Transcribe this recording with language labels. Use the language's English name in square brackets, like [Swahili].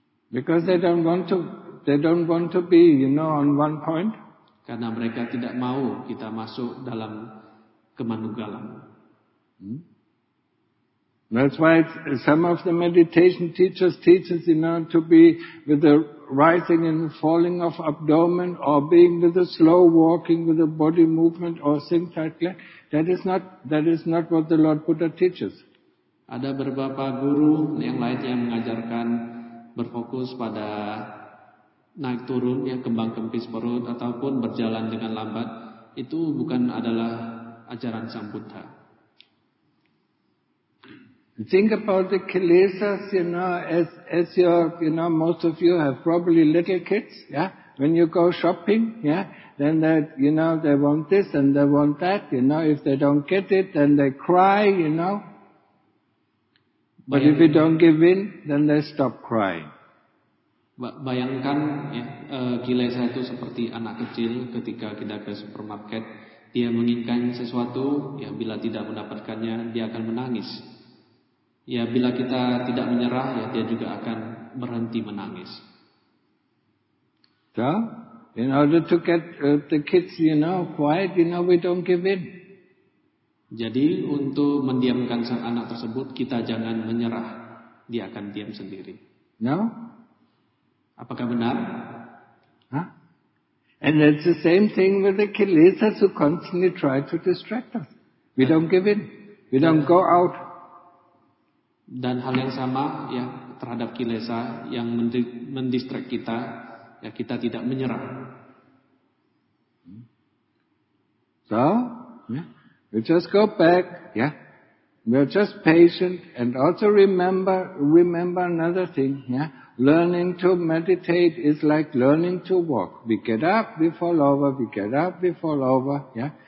[English] Because they don't want to be, you know, on one point. [Indonesian] Karena mereka tidak mau kita masuk dalam kemanunggalan. [English] That's why some of the meditation teaches, you know, to be with the rising and falling of abdomen, or being with the slow walking, with the body movement, or sing tightly. That is not what the Lord Buddha teaches. [Indonesian] Ada beberapa guru yang lain yang mengajarkan berfokus pada naik turun, ya kembang kempis perut, ataupun berjalan dengan lambat. Itu bukan adalah ajaran Sang Buddha. [English] Think about the kilesas, you know, as your, you know, most of you have probably little kids, yeah? When you go shopping, yeah? Then that, you know, they want this and they want that, you know? If they don't get it, then they cry, you know? But if you don't give in, then they stop crying. [Indonesian] Bayangkan ya, gila saya itu seperti anak kecil ketika kita ke supermarket, dia menginginkan sesuatu, ya bila tidak mendapatkannya, dia akan menangis. Ya bila kita tidak menyerah, ya dia juga akan berhenti menangis. [English] So, in order to get the kids, you know, quiet, you know, we don't give in. [Indonesian] Jadi untuk mendiamkan sang anak tersebut, kita jangan menyerah, dia akan diam sendiri. [English] No? [Indonesian] Apakah benar? Huh? [English] And it's the same thing with the kilesas who constantly try to distract us. We don't give in. We don't go out. [Indonesian] Dan hal yang sama ya terhadap kilesa yang mendistract kita, ya kita tidak menyerah. [English] So, yeah, we just go back, yeah. We're just patient and also remember another thing, yeah. Learning to meditate is like learning to walk. We get up, we fall over, we get up, we fall over, yeah.